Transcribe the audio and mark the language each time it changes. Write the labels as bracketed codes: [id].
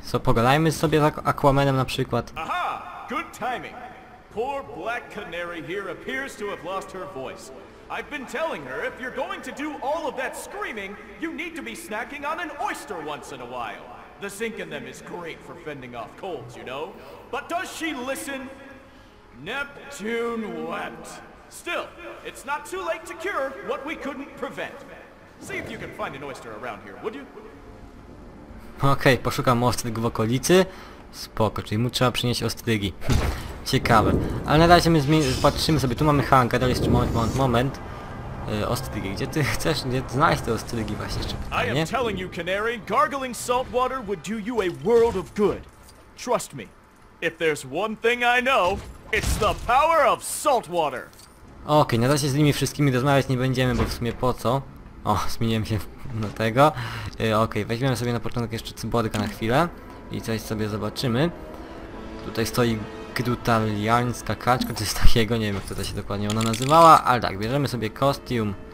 [pl] So, pogadajmy sobie z Aquamanem na przykład. [en] Aha! Good timing! Poor Black Canary here appears to have lost her voice. I've been telling her, if you're going to do all of that screaming, you need to be snacking on an oyster once in a while. The zinc in them is great for fending off colds, you know? But does she listen? Neptune wept. Still, it's not too late to cure what we couldn't prevent. See if you can find an oyster around here, would you? [pl] Okej, poszukam ostrych w okolicy. Spoko, czyli mu trzeba przynieść ostrygi. Ciekawe. Ale na razie my patrzymy sobie, tu mamy Hanka, to jeszcze moment. Ostrygi, gdzie ty chcesz, gdzie znaleźć te ostrygi właśnie, jeszcze pytanie. [en] I am telling you, Canary, gargling salt water would do you a world of good. Trust me, if there's one thing I know, it's the power of salt water. [pl] Okej, na razie z nimi wszystkimi rozmawiać nie będziemy, bo w sumie po co? O, zmieniłem się na tego. Okej, weźmiemy sobie na początek jeszcze cyborga na chwilę i coś sobie zobaczymy. Tutaj stoi grutaliańska kaczka, coś takiego, nie wiem, kto to się dokładnie ona nazywała, ale tak, bierzemy sobie kostium.